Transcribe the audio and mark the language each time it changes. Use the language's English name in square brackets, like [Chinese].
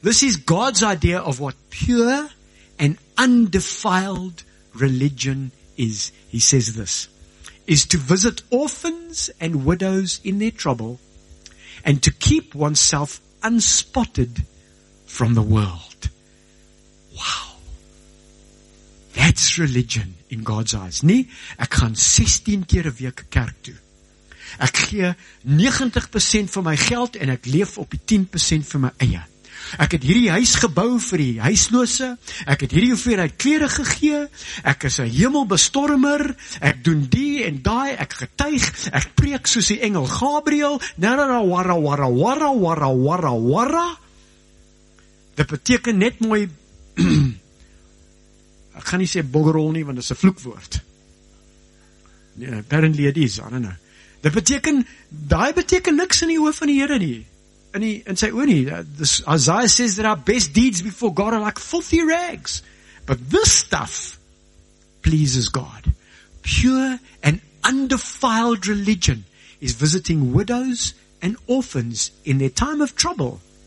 [English] This is God's idea of what pure and undefiled religion is. He says this, is to visit orphans and widows in their trouble and to keep oneself unspotted from the world. Wow. That's religion in God's eyes. [Afrikaans] Nie, ek gaan 16 keer 'n week kerk toe. Ek gee 90% van my geld en ek leef op die 10% van my eie. Ek het hierdie huis gebou vir die huislose. Ek het hierdie hoeveelheid klere gegee. Ek is 'n hemelbestormer. Ek doen die en daai. Ek getuig. Ek preek soos die engel Gabriel. Na-na-na-wara-wara-wara-wara-wara-wara-wara. Dit beteken net mooi... ek gaan nie sê boggerol nie, want dit is 'n vloekwoord. [English] Yeah, apparently it is, I don't know. [Afrikaans] Dit beteken, daai beteken niks in die oor van die Here nie. [English] And say, Oni, this Isaiah says that our best deeds before God are like filthy rags. But this stuff pleases God. Pure and undefiled religion is visiting widows and orphans in their time of trouble.